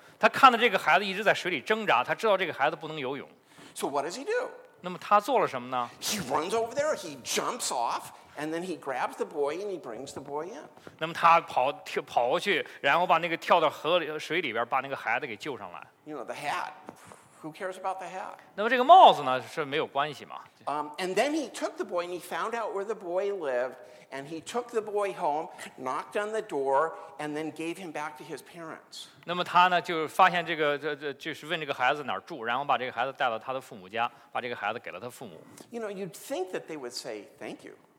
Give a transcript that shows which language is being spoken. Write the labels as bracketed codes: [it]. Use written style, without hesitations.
[zh] 他看到这个孩子一直在水里挣扎，他知道这个孩子不能游泳。 [en] So what does he do? [zh] 那么他做了什么呢？ [en] He runs over there, he jumps off, and then he grabs the boy and he brings the boy in. [zh] 那么他跑过去，然后把那个跳到河里水里边，把那个孩子给救上来。 [en] You know the hat. Who cares about the hat? [zh] 那么这个帽子呢是没有关系嘛。 [en] And then he took the boy and he found out where the boy lived, and he took the boy home, knocked on the door, and then gave him back to his parents. [zh] 那么他呢就发现这个就是问这个孩子哪儿住，然后把这个孩子带到他的父母家，把这个孩子给了他父母。 [en] You know, you'd think that they would say thank you.